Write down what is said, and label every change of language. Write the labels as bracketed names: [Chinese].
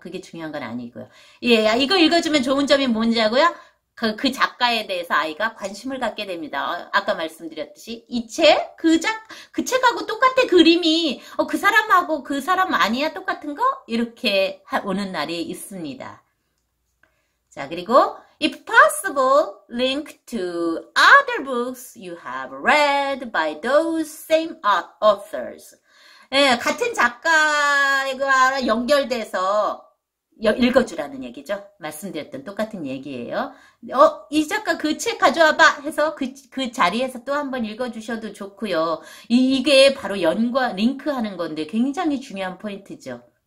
[Korean] 그게 중요한 건 아니고요. 예, 이거 읽어주면 좋은 점이 뭔지 하고요. 그 작가에 대해서 아이가 관심을 갖게 됩니다. 아까 말씀드렸듯이 이 책? 그 책하고 똑같아 그림이. 그 사람하고 그 사람 아니야? 똑같은 거? 이렇게 오는 날이 있습니다. 자, 그리고 [English] If possible, link to other books you have read by those same authors. [Korean] 예, 같은 작가와 연결돼서 읽어주라는 얘기죠. 말씀드렸던 똑같은 얘기예요. 이 작가 그책 가져와 봐 해서 그 자리에서 또 한번 읽어주셔도 좋고요. 이게 바로 링크하는 건데 굉장히 중요한 포인트죠.